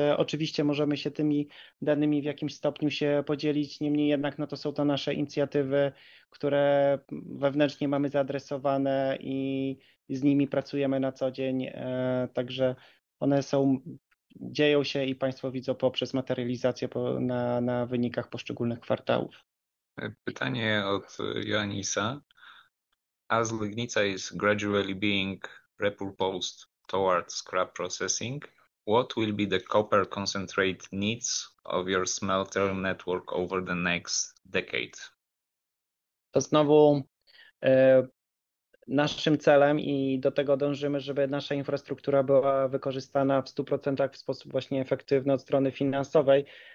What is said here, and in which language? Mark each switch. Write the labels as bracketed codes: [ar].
[pl] Oczywiście możemy się tymi danymi w jakimś stopniu się podzielić, niemniej jednak no to są to nasze inicjatywy, które wewnętrznie mamy zaadresowane i z nimi pracujemy na co dzień, także one są, dzieją się i Państwo widzą poprzez materializację na wynikach poszczególnych kwartałów. Pytanie od Joannisa. [en] As Legnica is gradually being repurposed towards scrap processing, what will be the copper concentrate needs of your smelter network over the next decade? [pl] To znowu naszym celem i do tego dążymy, żeby nasza infrastruktura była wykorzystana w 100% w sposób właśnie efektywny od strony finansowej.